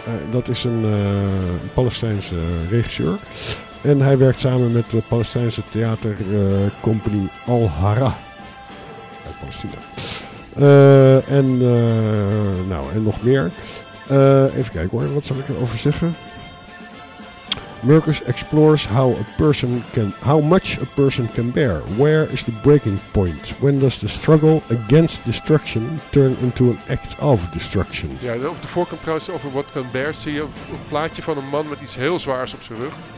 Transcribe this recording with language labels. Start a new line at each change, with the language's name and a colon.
Dutch: Dat is een Palestijnse regisseur. En hij werkt samen met de Palestijnse theatercompany Al Hara uit Palestina. En nog meer. Even kijken hoor, wat zal ik erover zeggen?
English: Murkus explores how much a person can bear. Where is the breaking point? When does the struggle against destruction turn into an act of destruction?
Dutch: Ja, op de voorkant trouwens over what can bear zie je een plaatje van een man met iets heel zwaars op zijn rug.